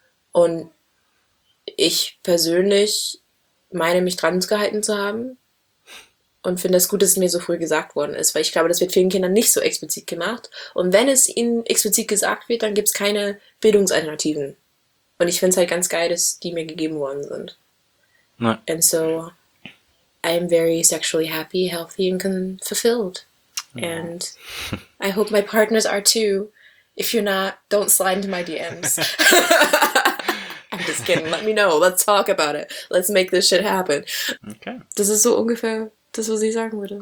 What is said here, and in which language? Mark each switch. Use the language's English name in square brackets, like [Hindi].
[German] Und ich persönlich meine, mich dran gehalten zu haben und finde es gut, dass es mir so früh gesagt worden ist, weil ich glaube, das wird vielen Kindern nicht so explizit gemacht. Und wenn es ihnen explizit gesagt wird, dann gibt es keine Bildungsalternativen. Und ich finde es halt ganz geil, dass die mir gegeben worden sind. Na. [English] And so, I'm very sexually happy, healthy and fulfilled. And I hope my partners are too. If you're not, don't slide into my DMs. I'm just kidding. Let me know. Let's talk about it. Let's make this shit happen. Okay. [German] Das ist so ungefähr das, was ich sagen würde.